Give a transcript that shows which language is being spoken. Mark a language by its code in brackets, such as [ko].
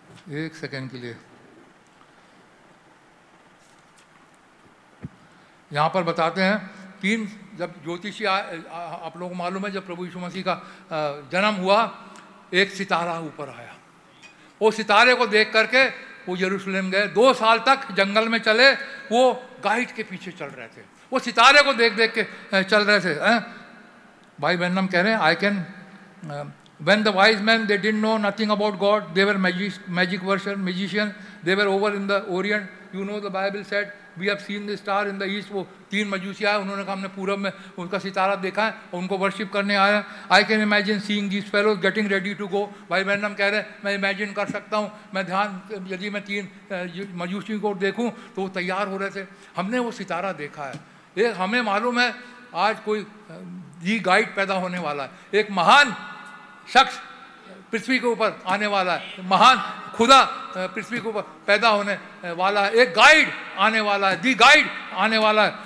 [hi] एक सेकंड के लिए यहाँ पर बताते हैं तीन, जब ज्योतिषी आप लोगों को मालूम है जब प्रभु यीशु मसीह का जन्म हुआ एक सितारा ऊपर आया, वो सितारे को देख करके वो यरूशलेम गए, 2 साल तक जंगल में चले, वो गाइड के पीछे चल रहे थे, वो सितारे को देख देख के चल रहे थे। भाई बहनम कह रहे हैं [en] I can When the wise men, they didn't know nothing about God. They were magic worship, magicians. They were over in the Orient. You know the Bible said, we have seen the star in the east. [hi] वो तीन मजूसी आए, उन्होंने कहा हमने पूरब में उनका सितारा देखा है, उनको worship करने आए हैं। [en] I can imagine seeing these fellows getting ready to go. [hi] भाई बहनम कह रहे हैं मैं imagine कर सकता हूँ, मैं ध्यान यदि मैं तीन मजूसी को देखूँ तो वो तैयार हो रहे थे। हमने वो सितारा देखा है, ये हमें मालूम है आज कोई ये गाइड पैदा होने वाला है, एक महान शख्स पृथ्वी के ऊपर आने वाला है, महान खुदा पृथ्वी के ऊपर पैदा होने वाला है, एक गाइड आने वाला है, दी गाइड आने वाला है।